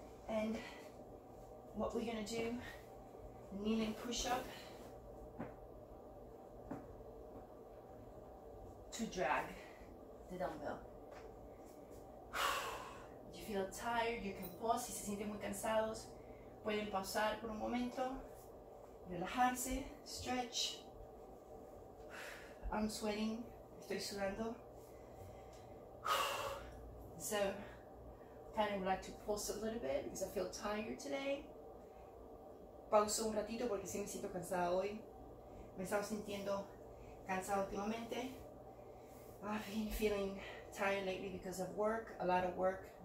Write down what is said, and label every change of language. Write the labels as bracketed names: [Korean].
[English] And what we're going to do, kneeling push-up to drag the dumbbell. If you feel tired, you can pause. [Spanish] Si se sienten muy cansados, pueden pausar por un momento, relajarse, stretch. [English] I'm sweating. [Spanish] Estoy sudando. [English] So, kind of would like to pause a little bit because I feel tired today. [Spanish] Pauso un ratito porque sí me siento cansada hoy. Me he estado sintiendo cansada últimamente. [English] I've been feeling tired lately because of work, a lot of work.